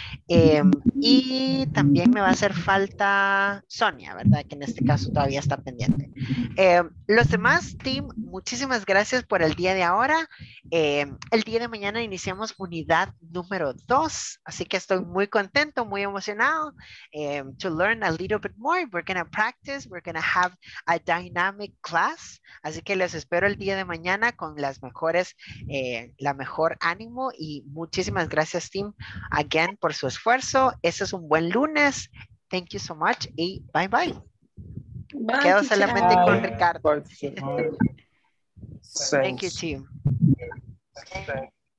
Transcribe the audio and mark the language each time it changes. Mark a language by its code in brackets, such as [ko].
[es] Y también me va a hacer falta Sonia, ¿verdad? Que en este caso todavía está pendiente. Los demás, team, muchísimas gracias por el día de ahora. El día de mañana iniciamos unidad número 2, así que estoy muy contento, muy emocionado. [en] To learn a little bit more, we're going to practice, we're going to have a dynamic class. [es] Así que les espero el día de mañana con las mejores, la mejor ánimo, y muchísimas gracias, team, again, por su esfuerzo. Ese es un buen lunes. [en] Thank you so much y bye bye. Bye. [es] Quedo solamente [en] bye. Con Ricardo. Bye. Thank you, team. Okay.